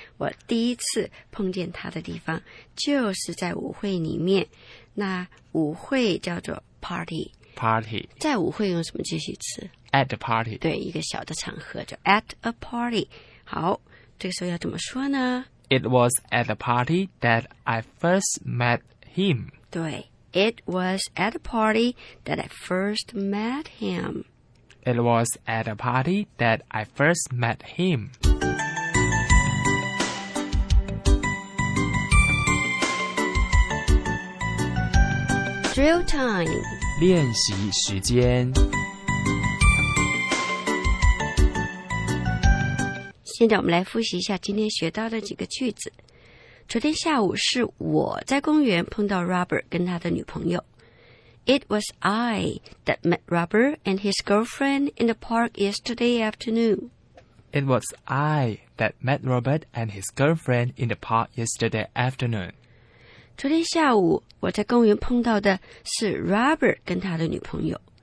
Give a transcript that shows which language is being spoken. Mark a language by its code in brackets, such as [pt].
[zh] 我第一次碰见他的地方就是在舞会里面，那舞会叫做 party。 [en] Party [zh] 在舞会用什么继续词 [en] ？At the party。 [zh] 对，一个小的场合叫 [en] at a party。 [zh] 好，这个时候要怎么说呢？ [en] It was at the party that I first met him. 对 ,It was at the party that I first met him. It was at the party that I first met him. Drill time. [zh] 练习时间。现在我们来复习一下今天学到的几个句子。昨天下午是我在公园碰到 Robert 跟他的女朋友。 [en] It was I that met Robert and his girlfriend in the park yesterday afternoon. It was I that met Robert and his girlfriend in the park yesterday afternoon. [zh] 昨天下午我在公园碰到的是 Robert 跟他的女朋友。